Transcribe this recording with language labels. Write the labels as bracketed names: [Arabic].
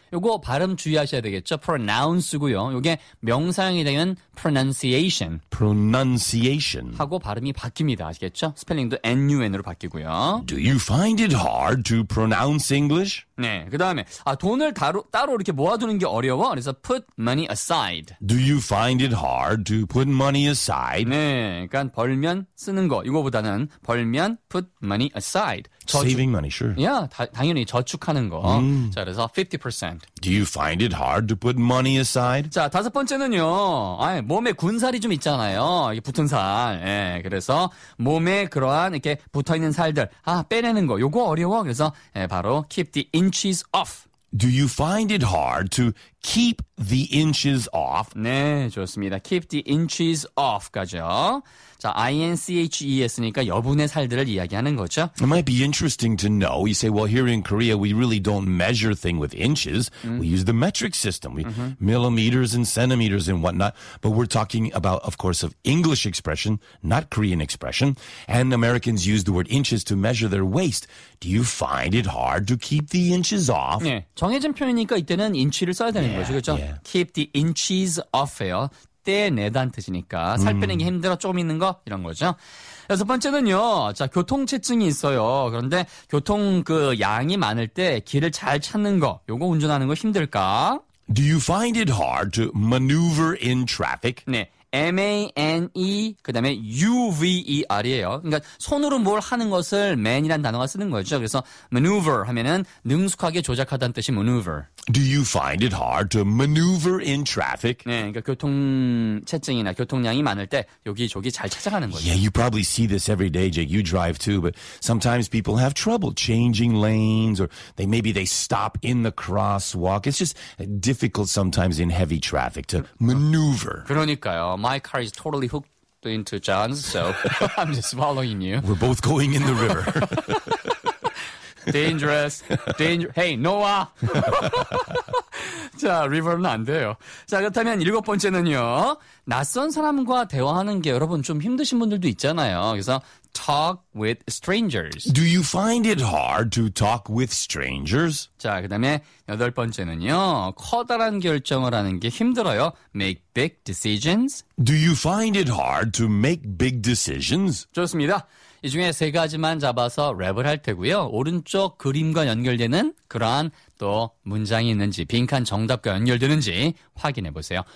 [Korean] 요거 발음 주의하셔야 되겠죠? pronounce고요. 요게 명사형이 되면 pronunciation. [English] pronunciation. [Korean] 하고 발음이 바뀝니다. 아시겠죠? 스펠링도 n-u-n으로 바뀌고요. [English] Do you find it hard to pronounce English? [Korean] 네. 그 다음에, 아, 돈을 따로 이렇게 모아두는 게 어려워? 그래서 [English] put money aside. Do you find it hard to put money aside? [Korean] 네. 그러니까 벌면 쓰는 거. 이거보다는 벌면 [English] put money aside. Saving money, sure. Yeah, [Korean] 당연히 저축하는 거. 자, 그래서 50%. [English] Do you find it hard to put money aside? [Korean] 자, 다섯 번째는요. 아니, 몸에 군살이 좀 있잖아요. 이게 붙은 살. 예, 그래서 몸에 그러한 이렇게 붙어있는 살들. 아, 빼내는 거. 요거 어려워. 그래서 예, 바로 [English] keep the inches off. Do you find it hard to keep the inches off? [Korean] 네, 좋습니다. [English] Keep the inches off [Korean] 가죠. 자, I-N-C-H-E-S니까 여분의 살들을 이야기하는 거죠. [English] It might be interesting to know. You say, well, here in Korea, we really don't measure thing with inches. Mm-hmm. We use the metric system. We mm-hmm. millimeters and centimeters and whatnot. But we're talking about, of course, of English expression, not Korean expression. And Americans use the word inches to measure their waist. Do you find it hard to keep the inches off? [Korean] 네, 정해진 표현이니까 이때는 인치를 써야 되는 거죠. 그렇죠? [English] Yeah. Keep the inches off예요. [Korean] 떼내단 뜻이니까 살 빼는 게 힘들어 조금 있는 거 이런 거죠. 여섯 번째는요. 자, 교통체증이 있어요. 그런데 교통 그 양이 많을 때 길을 잘 찾는 거 요거 운전하는 거 힘들까? [English] Do you find it hard to maneuver in traffic? [Korean] 네. M-A-N-E, 그 다음에 U-V-E-R이에요. 그러니까 손으로 뭘 하는 것을 man이라는 단어가 쓰는 거죠. 그래서 maneuver 하면은 능숙하게 조작하다는 뜻이 maneuver. [English] Do you find it hard to maneuver in traffic? [Korean] 네, 그러니까 교통체증이나 교통량이 많을 때 여기저기 잘 찾아가는 거죠. [English] Yeah, you probably see this every day, Jake. You drive too, but sometimes people have trouble changing lanes or maybe they stop in the crosswalk. It's just difficult sometimes in heavy traffic to maneuver. [Korean] 그러니까요. [English] My car is totally hooked into John's, so I'm just following you. We're both going in the river. Dangerous. Hey, [Korean] Noah! 자, 리버는 안 돼요. 자, 그렇다면 일곱 번째는요. 낯선 사람과 대화하는 게 여러분 좀 힘드신 분들도 있잖아요. 그래서 [English] talk with strangers. Do you find it hard to talk with strangers? [Korean] 자, 그 다음에 여덟 번째는요. 커다란 결정을 하는 게 힘들어요. [English] Make big decisions. Do you find it hard to make big decisions? [Korean] 좋습니다. 이 중에 세 가지만 잡아서 랩을 할 테고요. 오른쪽 그림과 연결되는 그러한 또 문장이 있는지 빈칸 정답과 연결되는지 확인해 보세요.